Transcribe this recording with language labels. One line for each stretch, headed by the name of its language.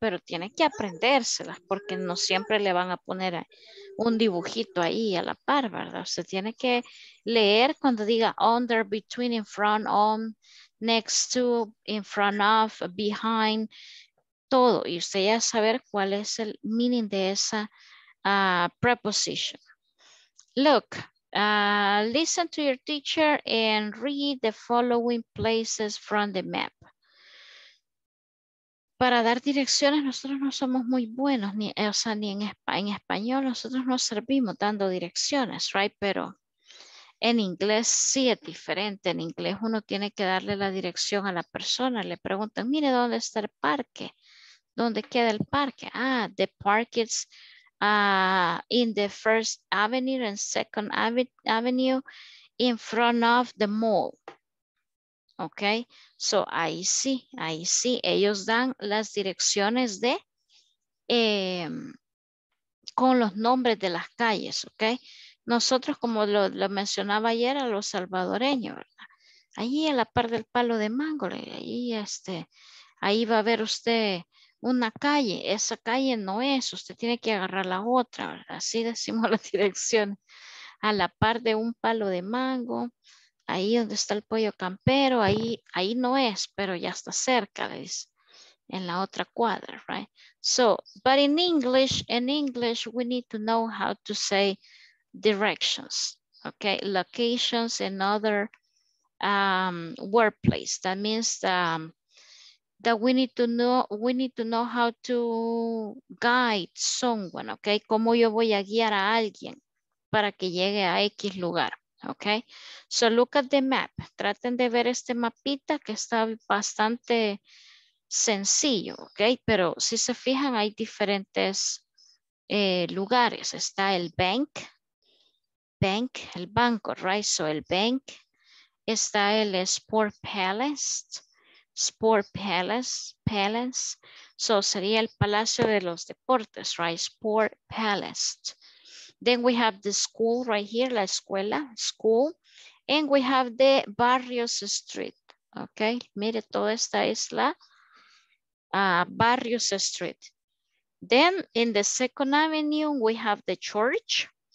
Spanish: Pero tiene que aprendérselas porque no siempre le van a poner un dibujito ahí a la par, ¿verdad? O sea, tiene que leer cuando diga under, between, in front, on, next to, in front of, behind, todo. Y usted ya saber cuál es el meaning de esa preposition.
English: Look. Listen to your teacher and read the following places from the map.
Spanish: Para dar direcciones, nosotros no somos muy buenos, ni en español nosotros no servimos dando direcciones,
English: right?
Spanish: Pero en inglés sí es diferente. En inglés uno tiene que darle la dirección a la persona. Le preguntan, mire, ¿dónde está el parque? ¿Dónde queda el parque?
English: Ah, the park is... in the first avenue and second avenue in front of the mall.
Spanish: Okay, so ahí sí, ellos dan las direcciones de con los nombres de las calles. Okay, nosotros, como lo mencionaba ayer, a los salvadoreños, ¿verdad? Allí a la par del palo de mango, ahí va a ver usted una calle, esa calle no es, usted tiene que agarrar la otra, ¿verdad? Así decimos la dirección, a la par de un palo de mango, ahí donde está el pollo campero, ahí no es, pero ya está cerca, ¿ves? En la otra cuadra,
English: right? So, but in English, we need to know how to say directions, okay? Locations and other workplace, that means the we need to know how to guide someone, okay?
Spanish: Cómo yo voy a guiar a alguien para que llegue a X lugar, okay?
English: So look at the map.
Spanish: Traten de ver este mapita que está bastante sencillo, okay? Pero si se fijan, hay diferentes lugares. Está el bank, el banco,
English: right?
Spanish: So el bank, está el Sport Palace. Sport Palace, Palace. So sería el Palacio de los Deportes, right?
English: Sport Palace. Then we have the school right here,
Spanish: la escuela,
English: school. And we have the Barrios Street. Okay,
Spanish: mire toda esta isla.
English: Barrios Street. Then in the Second Avenue, we have the church.